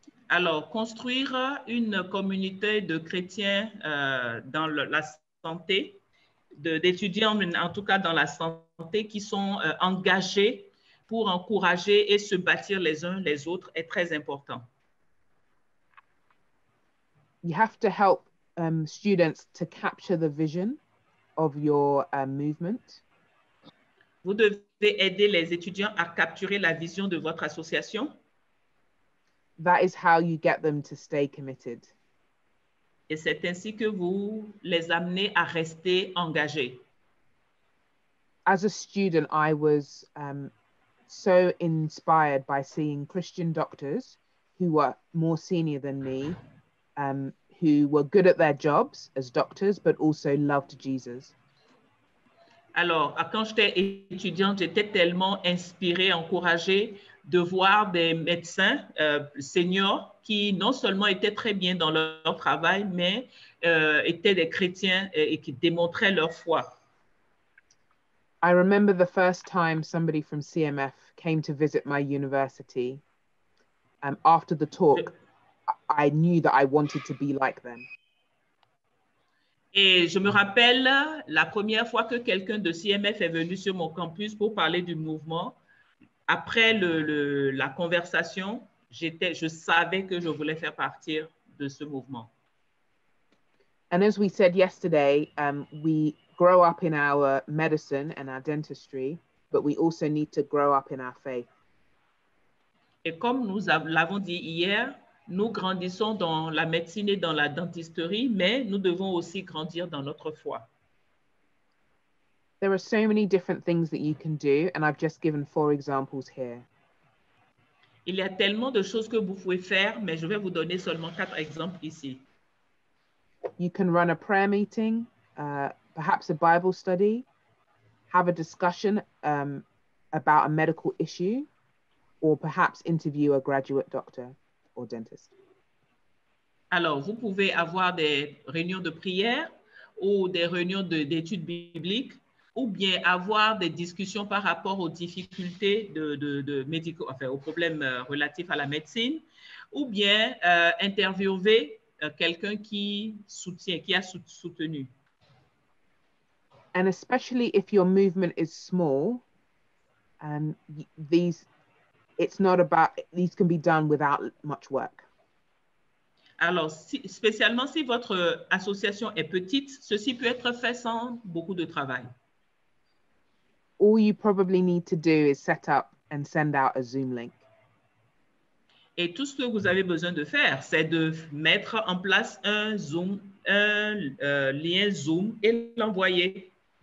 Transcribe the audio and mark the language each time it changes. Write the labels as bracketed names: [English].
[French] Alors, construire une communauté de chrétiens dans la santé, d'étudiants, en tout cas dans la santé, qui sont engagés pour encourager et se bâtir les uns les autres est très important. [English] You have to help students to capture the vision of your movement. [French] Vous devez aider les étudiants à capturer la vision de votre association. [English] That is how you get them to stay committed. [French] Et c'est ainsi que vous les amenez à rester engagés. [English] As a student, I was so inspired by seeing Christian doctors who were more senior than me, who were good at their jobs as doctors, but also loved Jesus. [French] Alors, quand j'étais étudiante, j'étais tellement inspirée, encouragée de voir des médecins seniors qui non seulement étaient très bien dans leur travail, mais étaient des chrétiens et qui démontraient leur foi. [English] I remember the first time somebody from CMF came to visit my university. After the talk, I knew that I wanted to be like them. [French] Et je me rappelle la première fois que quelqu'un de CMF est venu sur mon campus pour parler du mouvement. Après la conversation, je savais que je voulais faire partie de ce mouvement. [English] And as we said yesterday, we grow up in our medicine and our dentistry, but we also need to grow up in our faith. [French] Et comme nous l'avons dit hier, nous grandissons dans la médecine et dans la dentisterie, mais nous devons aussi grandir dans notre foi. [English] There are so many different things that you can do, and I've just given four examples here. [French] Il y a tellement de choses que vous pouvez faire, mais je vais vous donner seulement quatre exemples ici. [English] You can run a prayer meeting, perhaps a Bible study, have a discussion about a medical issue, or perhaps interview a graduate doctor or dentist. [French] Alors, vous pouvez avoir des réunions de prière ou des réunions d'études bibliques, ou bien avoir des discussions par rapport aux difficultés de médicaux, enfin aux problèmes relatifs à la médecine, ou bien interviewer quelqu'un qui a soutenu. [English] And especially if your movement is small, these can be done without much work. [French] Alors, spécialement si votre association est petite, ceci peut être fait sans beaucoup de travail. [English] All you probably need to do is set up and send out a Zoom link. [French] Et tout ce que vous avez besoin de faire, c'est de mettre en place un lien Zoom et l'envoyer.